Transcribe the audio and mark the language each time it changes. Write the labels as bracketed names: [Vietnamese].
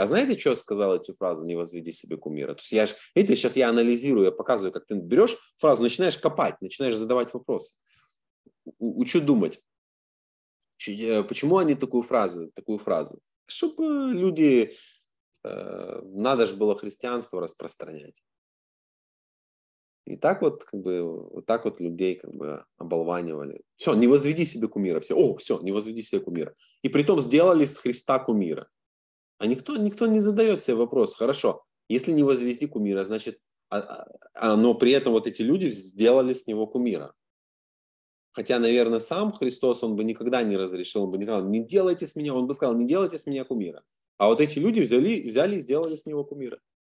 [Ukrainian] А знаєте, чого сказали цю фразу «не возведи себе куміра»? Тобто я ж, видите, зараз я аналізую, я показую, як ти береш фразу, починаєш копати, починаєш задавати питання. У що думати? Чому вони таку фразу? Щоб люди, надо ж було християнство розпространяти. І так от, как бы, так от людей как бы, оболванювали. [Russian] Все, не возведи себе кумира. Все, о, все, не возведи себе кумира. [Ukrainian] І при тому зробили з Христа кумира. А ніхто не задає цей вопрос. [Russian] Хорошо, якщо не возведи кумира, значить, но при этом вот эти люди сделали с него кумира. Хотя, наверное, сам Христос, он бы никогда не разрешил, он бы не сказал, не делайте с меня, он бы сказал, не делайте с меня кумира. А вот эти люди взяли и сделали с него кумира.